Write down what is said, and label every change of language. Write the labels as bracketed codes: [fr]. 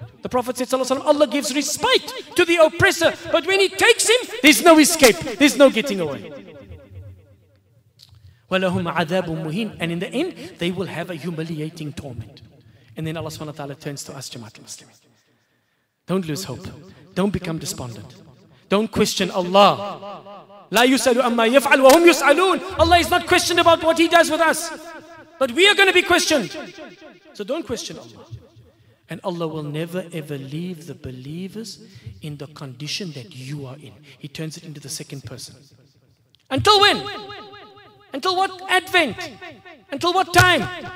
[en] The Prophet said, sallallahu alayhi wa sallam, Allah gives respite to the oppressor. But when He takes him, there's no escape. There's no getting away. [ar] وَلَهُمْ عَذَابٌ مُهِينٌ. [en] And in the end, they will have a humiliating torment. And then Allah subhanahu wa ta'ala turns to us, Jamaat al-Muslim. Don't lose hope. Don't become despondent. Don't question Allah. [ar] لا يسأل أما يفعل وهم يسألون. [en] Allah is not questioned about what He does with us. But we are going to be questioned. So don't question Allah. And Allah will never ever leave the believers in the condition that you are in. He turns it into the second person. Until when? Until what advent? Until what time?